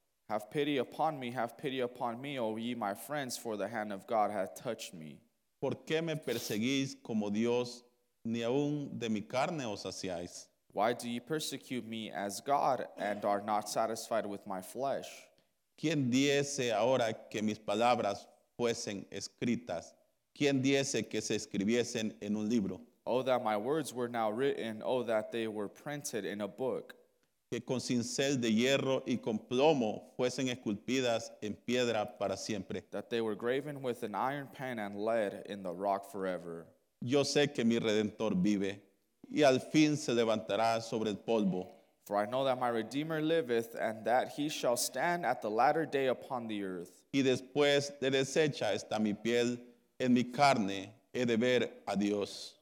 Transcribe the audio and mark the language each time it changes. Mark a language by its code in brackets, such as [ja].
[en] Have pity upon me, O ye my friends, for the hand of God hath touched me. [es] ¿Por qué me perseguís como Dios, ni aun de mi carne os saciáis? [en] Why do ye persecute me as God, and are not satisfied with my flesh? [es] ¿Quién diese ahora que mis palabras fuesen escritas? ¿Quién diese que se escribiesen en un libro? [en] Oh, that my words were now written, oh, that they were printed in a book. [es] Que con cincel de hierro y con plomo fuesen esculpidas en piedra para siempre. [en] That they were graven with an iron pen and lead in the rock forever. [es] Yo sé que mi Redentor vive, y al fin se levantará sobre el polvo. [en] For I know that my Redeemer liveth, and that he shall stand at the latter day upon the earth. [es] Y después de deshecha está mi piel, en mi carne he de ver a Dios.